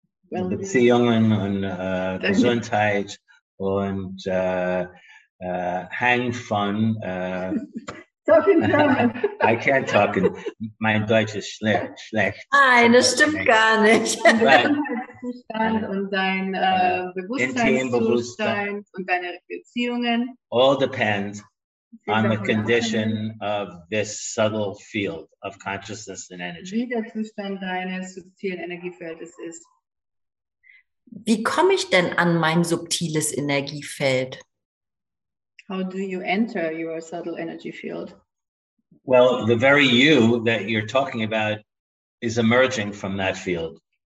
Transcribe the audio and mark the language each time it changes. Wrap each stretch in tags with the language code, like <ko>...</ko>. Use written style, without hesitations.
<de>Beziehungen und Gesundheit und Hangfun.</de> <en>I can't talk in</en> <de>mein Deutsch ist schlecht. Nein, das stimmt gar nicht. Dein Gesundheitszustand und dein Bewusstseinszustand und deine Beziehungen.</de> <en>All depends on the condition of this subtle field of consciousness and energy.</en> <de>Wie der Zustand deines subtilen Energiefeldes ist. Wie komme ich denn an mein subtiles Energiefeld?</de> <en>How do you enter your subtle energy field? Well, the very you that you're talking about is emerging from that field.</en>